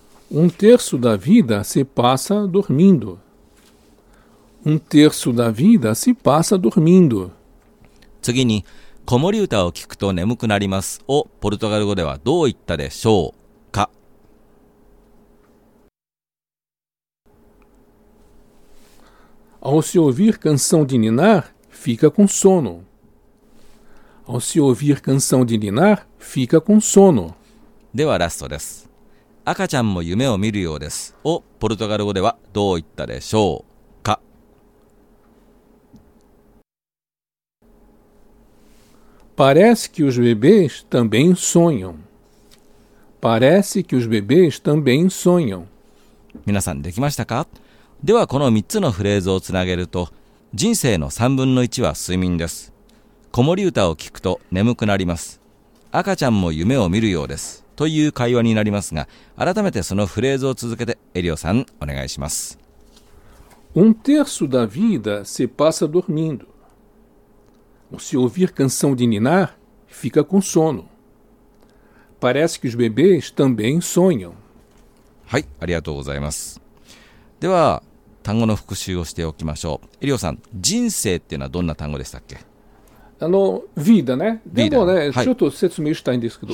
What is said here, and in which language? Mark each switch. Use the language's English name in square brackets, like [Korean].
[Portuguese] Um terço da vida se passa dormindo. Um terço da vida se passa dormindo. [Japanese] 次に、子守唄を聞くと眠くなりますをポルトガル語ではどう言ったでしょうか？ [Portuguese] Ao se ouvir canção de ninar, fica com sono. Ao se ouvir canção de ninar, fica com sono. [Japanese] ではラストです。赤ちゃんも夢を見るようですをポルトガル語ではどう言ったでしょうか？ [Portuguese] Parece que os bebês também sonham. Parece que os bebês também sonham. [Japanese] 皆さんできましたか？ではこの3つのフレーズをつなげると、人生の3分の1は睡眠です、子守唄を聞くと眠くなります、赤ちゃんも夢を見るようですという会話になりますが、改めてそのフレーズを続けてエリオさんお願いします。 [Portuguese] Um terço da vida se passa dormindo. Ao se ouvir canção de ninar, fica com sono. Parece que os bebês também sonham. [Japanese] はい、ありがとうございます。では単語の復習をしておきましょう。エリオさん、人生っていうのはどんな単語でしたっけ？ vida ね。でもね、はい、ちょっと説明したいんですけど、